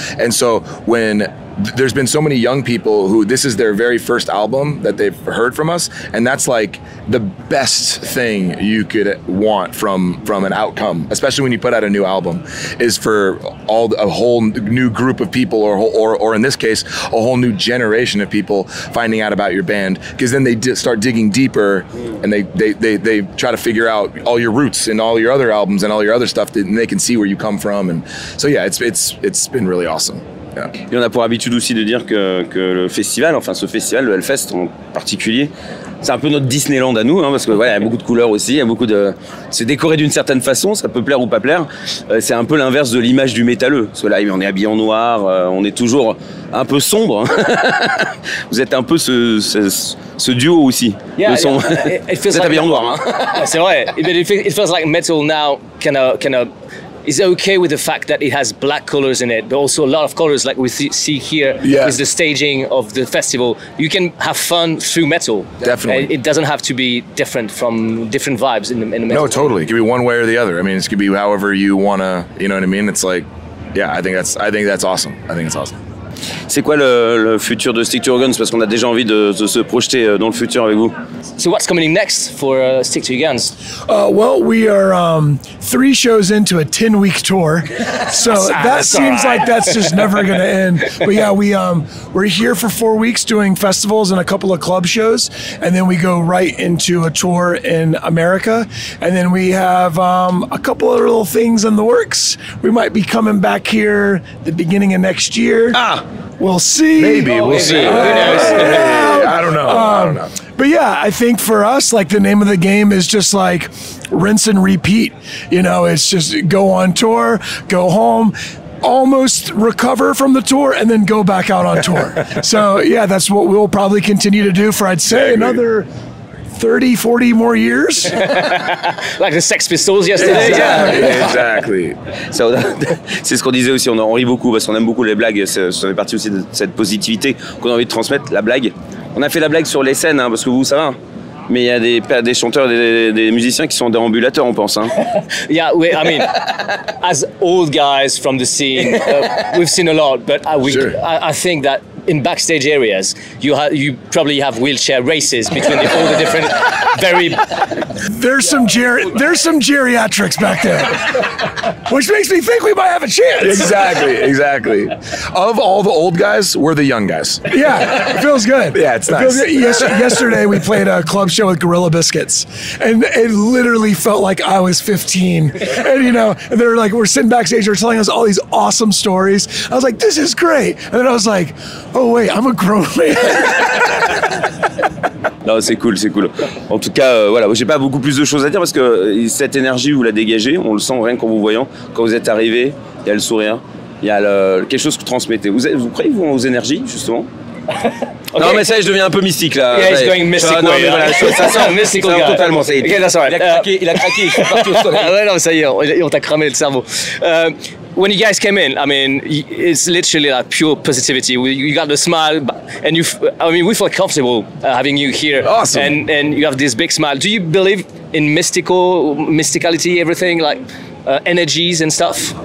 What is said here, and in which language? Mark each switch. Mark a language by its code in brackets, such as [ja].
[en] And so when there's been so many young people who this is their very first album that they've heard from us, and that's like the best thing you could want from an outcome, especially when you put out a new album, is for a whole new group of people, or in this case a whole new generation of people, finding out about your band, because then they start digging deeper and they try to figure out all your roots and all your other albums and all your other stuff, and they can see where you come from. And so yeah, it's been really awesome. [fr] Et on a pour habitude aussi de dire que le festival, enfin ce festival, le Hellfest en particulier, c'est un peu notre Disneyland à nous, hein, parce que ouais, y a beaucoup de couleurs aussi, il y a beaucoup de... C'est décoré d'une certaine façon, ça peut plaire ou pas plaire. C'est un peu l'inverse de l'image du métalleux, parce que là, on est habillé en noir, on est toujours un peu sombre. Vous êtes un peu ce duo aussi, [en] yeah, [fr] le son. [en] Yeah, [fr] vous êtes habillé en noir. C'est vrai, [en] it feels like metal now, kind of... is okay with the fact that it has black colors in it, but also a lot of colors like we see here is the staging of the festival. You can have fun through metal. Definitely. It doesn't have to be different from different vibes in the metal. No, totally. It could be one way or the other. I mean, it could be however you want to, you know what I mean? It's like, yeah, I think that's awesome. I think it's awesome. [fr] C'est quoi le futur de Stick to Your Guns? Parce qu'on a déjà envie de se projeter dans le futur avec vous. [en] So what's coming next for Stick to Your Guns? Well, we are three shows into a 10-week tour. So that seems like that's just never going to end. But yeah, we're here for 4 weeks doing festivals and a couple of club shows. And then we go right into a tour in America. And then we have a couple of little things in the works. We might be coming back here the beginning of next year. Ah! We'll see. Maybe, we'll see. I don't know. But yeah, I think for us, like, the name of the game is just like rinse and repeat. You know, it's just go on tour, go home, almost recover from the tour, and then go back out on tour. So yeah, that's what we'll probably continue to do for, I'd say, another 30, 40 more years. Like the Sex Pistols yesterday. Exactly. [fr] C'est ce qu'on disait aussi, on en rit beaucoup parce qu'on aime beaucoup les blagues. Ça fait partie aussi de cette positivité qu'on a envie de transmettre, la blague. On a fait la blague sur les scènes, hein, parce que vous, ça va. Mais il y a des chanteurs, des musiciens qui sont des ambulateurs, on pense. Hein. [en] I mean, as old guys from the scene, we've seen a lot, but I think that in backstage areas, you probably have wheelchair races between all the different very. There's some geriatrics back there, which makes me think we might have a chance. Exactly, exactly. Of all the old guys, we're the young guys. Yeah, it feels good. Yeah, it's nice. Yesterday we played a club show with Gorilla Biscuits, and it literally felt like I was 15. And you know, and they're like, we're sitting backstage, they're telling us all these awesome stories. I was like, this is great. And then I was like, oh wait, I'm a grown man. [fr] Non, c'est cool, c'est cool. En tout cas, voilà, j'ai pas beaucoup plus de choses à dire parce que cette énergie, vous la dégagez, on le sent rien qu'en vous voyant. Quand vous êtes arrivé, il y a le sourire, il y a quelque chose que vous transmettez. Vous croyez aux énergies, justement? [en] Okay. [fr] Non, mais ça, je deviens un peu mystique, là. [en] Yeah, he's going mystic way. [fr] Non, mais voilà, ça sent [en] mystical guy. [fr] Totalement, ça y est. [en] Okay, that's all right. [fr] Il a craqué, je suis parti au soleil. Ouais, non, ça y est, on t'a cramé le cerveau. [en] When you guys came in, I mean, it's literally like pure positivity. You got the smile, and we feel comfortable having you here. Awesome. And you have this big smile. Do you believe in mysticality, everything, like energies and stuff?